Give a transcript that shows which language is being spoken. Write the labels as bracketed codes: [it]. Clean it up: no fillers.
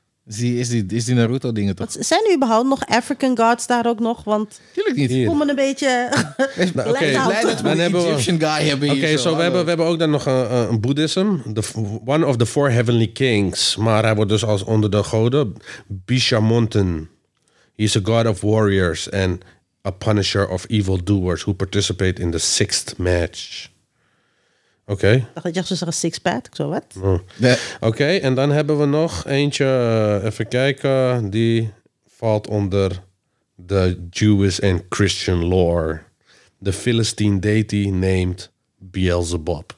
[nl] Is die Naruto dingen toch? Wat, zijn er überhaupt nog African gods daar ook nog? Want tuurlijk niet. Ik voel me een beetje... Oké, okay. [en] Egyptian guy [nl] hebben okay, hier. Oké, so we hebben ook dan nog een boeddhism. [en] One of the four heavenly kings. [nl] Maar hij wordt dus als onder de goden. Bishamonten. [en] He's a god of warriors and a punisher of evildoers who participate in the sixth match. [nl] Oké. Okay. Ik dacht dat je een six-pack, zo wat. Oké, okay, en dan hebben we nog eentje, even kijken, die valt onder de [en] Jewish and Christian lore. [nl] De Philistine deity named Beelzebub.